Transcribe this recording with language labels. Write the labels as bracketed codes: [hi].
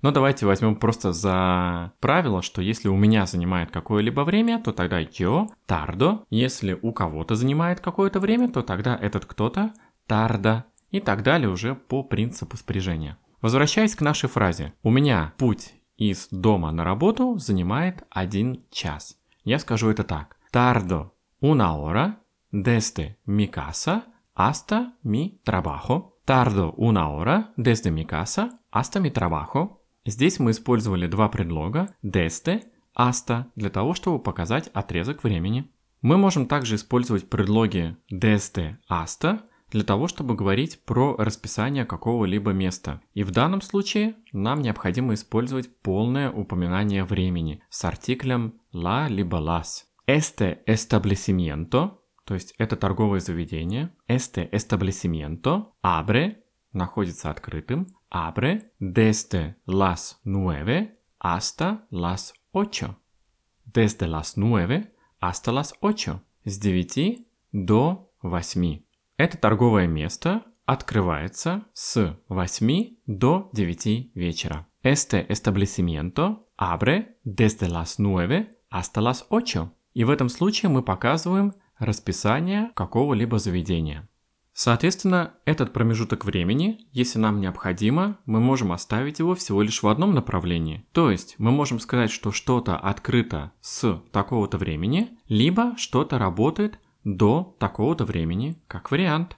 [ru] Но давайте возьмем просто за правило, что если у меня занимает какое-либо время, то тогда [es] yo tardo. [ru] Если у кого-то занимает какое-то время, то тогда этот кто-то tarda. И так далее уже по принципу спряжения. Возвращаясь к нашей фразе. У меня путь из дома на работу занимает 1 час. Я скажу это так. [es] Tardo una hora desde mi casa hasta mi trabajo. Tardo una hora desde mi casa hasta mi trabajo. [ru] Здесь мы использовали два предлога desde, hasta, для того, чтобы показать отрезок времени. Мы можем также использовать предлоги desde, hasta, для того, чтобы говорить про расписание какого-либо места. И в данном случае нам необходимо использовать полное упоминание времени с артиклем la либо las. [es] Este establecimiento, [ru] то есть это торговое заведение, [es] este establecimiento abre, [ru] находится открытым, [es] abre desde las 9 hasta las 8. Desde las 9 hasta las 8. [ru] С 9 до 8. Это торговое место открывается с 8 до 9 вечера. [es] Este establecimiento abre desde las 9 hasta las 8. [ru] И в этом случае мы показываем расписание какого-либо заведения. Соответственно, этот промежуток времени, если нам необходимо, мы можем оставить его всего лишь в одном направлении. То есть мы можем сказать, что что-то открыто с такого-то времени, либо что-то работает до такого-то времени, как вариант.